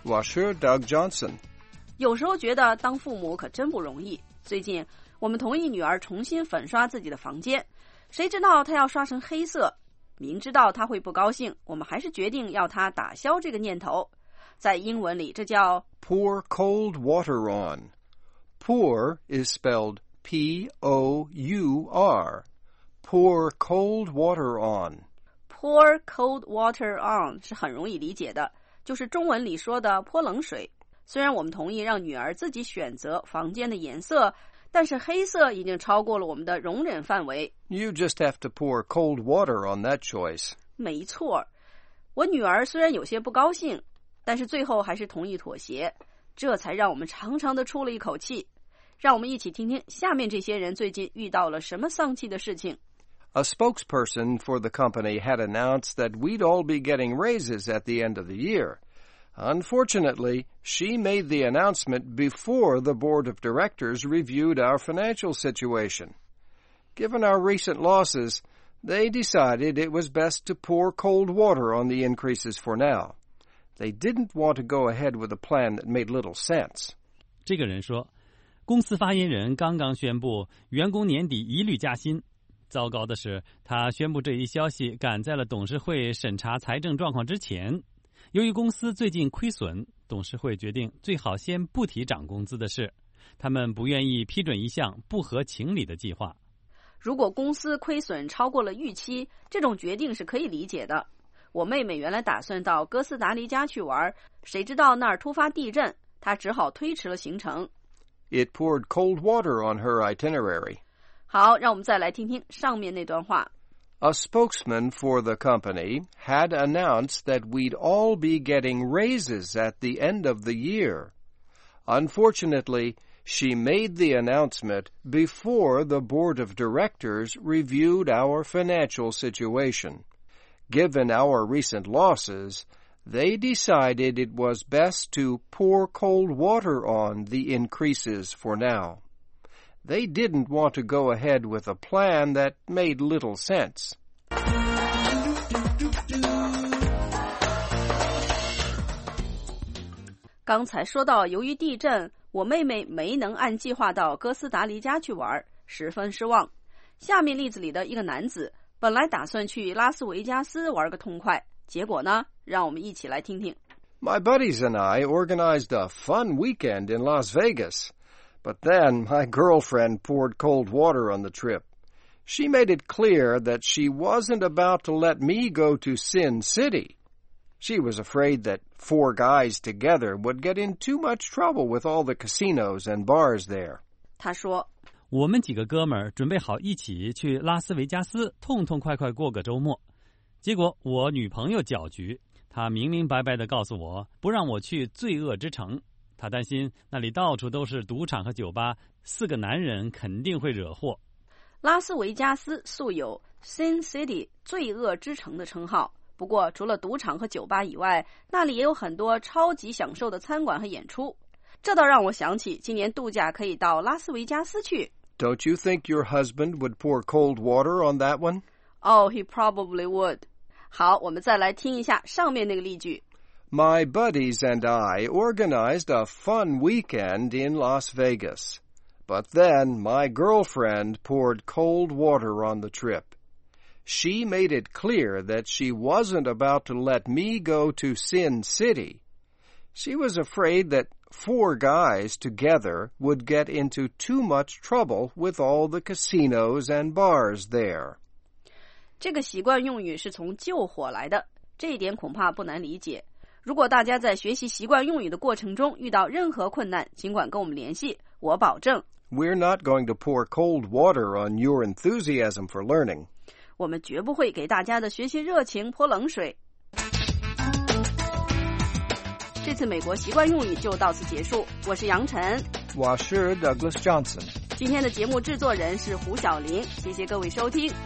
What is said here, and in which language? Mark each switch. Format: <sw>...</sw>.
<zh>我是 Doug Johnson。有时候觉得当父母可真不容易，最近我们同意女儿重新粉刷自己的房间，谁知道她要刷成黑色，明知道她会不高兴，我们还是决定要她打消这个念头。在英文里这叫</zh> <en>pour cold water on。 pour is spelled P-O-U-R, pour cold water on</en> <zh>Pour cold water on 是很容易理解的，就是中文里说的泼冷水。虽然我们同意让女儿自己选择房间的颜色，但是黑色已经超过了我们的容忍范围。</zh> <en>You just have to pour cold water on that choice.</en> <zh>没错，我女儿虽然有些不高兴，但是最后还是同意妥协，这才让我们长长的出了一口气。让我们一起听听下面这些人最近遇到了什么丧气的事情。</zh> <en>A spokesperson for the company had announced that we'd all be getting raises at the end of the year. Unfortunately, she made the announcement before the board of directors reviewed our financial situation. Given our recent losses, they decided it was best to pour cold water on the increases for now. They didn't want to go ahead with a plan that made little sense.</en> <zh>这个人说，公司发言人刚刚宣布员工年底一律加薪。糟糕的是，他宣布这一消息赶在了董事会审查财政状况之前。由于公司最近亏损，董事会决定最好先不提涨工资的事。他们不愿意批准一项不合情理的计划。如果公司亏损超过了预期，这种决定是可以理解的。我妹妹原来打算到哥斯达黎加去玩，谁知道那儿突发地震，她只好推迟了行程。</zh> <en>It poured cold water on her itinerary.</en> <zh>好，让我们再来听听上面那段话。</zh> <en>A spokesman for the company had announced that we'd all be getting raises at the end of the year. Unfortunately, she made the announcement before the board of directors reviewed our financial situation. Given our recent losses, they decided it was best to pour cold water on the increases for now. They didn't want to go ahead with a plan that made little sense.</en> <zh>(音乐) 我妹妹没能按计划到哥斯达黎加去玩，十分失望。下面例子里的一个男子本来打算去拉斯维加斯玩个痛快，结果呢，让我们一起来听听。</zh> <en>My buddies and I organized a fun weekend in Las Vegas, but then my girlfriend poured cold water on the trip. She made it clear that she wasn't about to let me go to Sin City. She was afraid that four guys together would get in too much trouble with all the casinos and bars there.</en> <zh>他说，我们几个哥们儿准备好一起去拉斯维加斯痛痛快快过个周末。结果我女朋友搅局，她明明白白地告诉我，不让我去罪恶之城。她担心那里到处都是赌场和酒吧，四个男人肯定会惹祸。拉斯维加斯素有 Sin City 罪恶之城的称号。不过除了赌场和酒吧以外，那里也有很多超级享受的餐馆和演出。这倒让我想起今年度假可以到拉斯维加斯去。</zh> <en>Don't you think your husband would pour cold water on that one? Oh, he probably would.</en> <zh>好，我们再来听一下上面那个例句。</zh> <en>My buddies and I organized a fun weekend in Las Vegas. But then my girlfriend poured cold water on the trip. She made it clear that she wasn't about to let me go to Sin City. She was afraid that four guys together would get into too much trouble with all the casinos and bars there.</en> <zh>这个习惯用语是从救火来的，这一点恐怕不难理解。如果大家在学习习惯用语的过程中遇到任何困难，尽管跟我们联系，我保证。</zh> <en>We're not going to pour cold water on your enthusiasm for learning.</en> <zh>我们绝不会给大家的学习热情泼冷水。这次美国习惯用语就到此结束，我是杨晨，我是 Douglas Johnson。今天的节目制作人是胡晓林，谢谢各位收听。</zh>